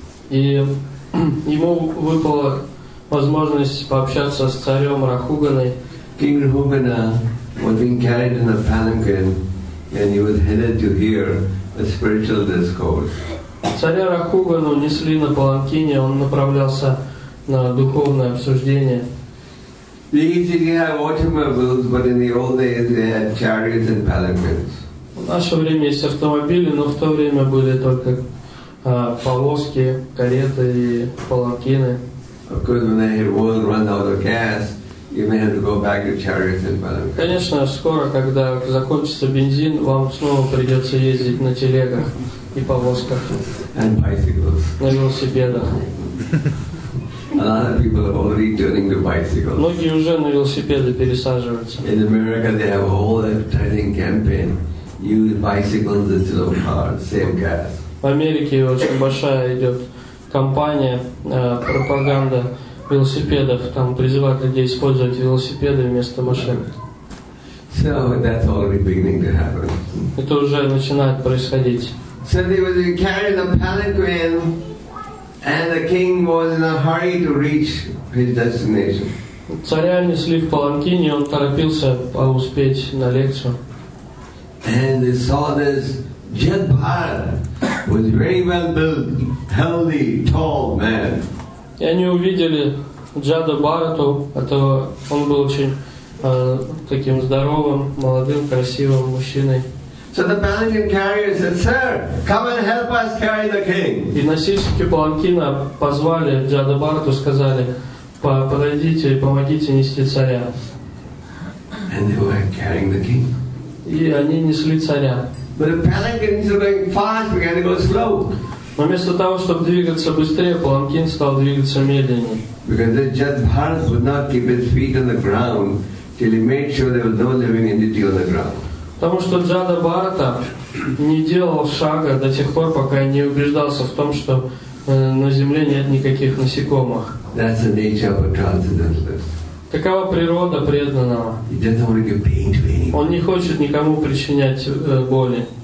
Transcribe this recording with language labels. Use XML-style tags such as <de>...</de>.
<ru>И ему выпала возможность пообщаться с царем Рахуганой.</ru> <en>King Rahugana was being carried in a palanquin, and he was headed to hear a spiritual discourse.</en> <ru>Царя Рахугану несли на паланкине, он направлялся на духовное обсуждение.</ru> <en>They used to have automobiles, but in the old days they had chariots and palanquins.</en> <ru>В наше время есть автомобили, но в то время были только повозки, кареты и паланкины.</ru> <en>Of course, when the world runs out of gas, you may have to go back to chariots and palanquins.</en> <ru>Конечно, скоро, когда закончится бензин, вам снова придется ездить на телегах и повозках.</ru> <en>And bicycles.</en> <ru>На велосипедах.</ru> <en>A lot of people are already turning to bicycles.</en> <ru>Многие уже на велосипеды пересаживаются.</ru> <en>In America, they have a whole advertising campaign: use bicycles instead of cars, same gas.</en> <ru>В Америке очень большая идет кампания, пропаганда велосипедов. Там призывают людей использовать велосипеды вместо машин.</ru> <en>So that's already beginning to happen.</en> <ru>Это уже начинает происходить.</ru> <en>So they were carrying the palanquin, and the king was in a hurry to reach his destination.</en> <ru>Царя несли в паланкине, он торопился успеть на лекцию.</ru> <en>And they saw this Jadabharata was very well built, healthy, tall man.</en> <ru>И они увидели Джадабхарату, этого, он был очень таким здоровым, молодым, красивым мужчиной.</ru> <en>So the palanquin carrier said, "Sir, come and help us carry the king."</en> <ru>И носильщики паланкина позвали Джадабхарату, сказали: "Подойдите и помогите нести царя."</ru> <en>And they were carrying the king.</en> <ru>И они несли царя.</ru> <en>But the palanquin is going fast, began to go slow.</en> <ru>Но вместо того, чтобы двигаться быстрее, паланкин стал двигаться медленнее.</ru> <en>Because the Jadabharata would not keep his feet on the ground till he made sure there was no living entity on the ground.</en> <ru>Потому что Джадабхарата не делал шага до тех пор, пока не убеждался в том, что на земле нет никаких насекомых.</ru> <en>That's the nature of a transcendentalist.</en> <ru>Такова природа преданного.</ru> <en>He doesn't want to give pain to anyone.</en> <ru>Он не хочет никому причинять боли.</ru>